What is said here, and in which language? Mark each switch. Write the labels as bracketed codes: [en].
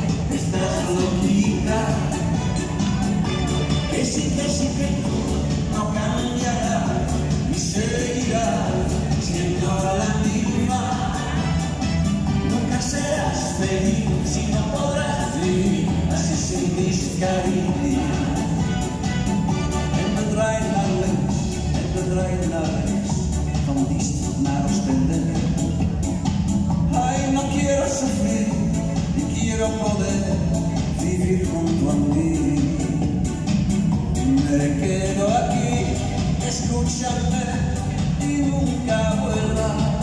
[es] Estás loquita. Que sí, que tú no cambiarás y seguirás siendo la misma. Nunca serás feliz si no podrás vivir. [nl] En de trein naar links, en de trein naar rechts, van Diest naar Oostende. [es] Ay, no quiero sufrir, y quiero poder vivir junto a mí. Me quedo aquí, escúchame y nunca vuelva.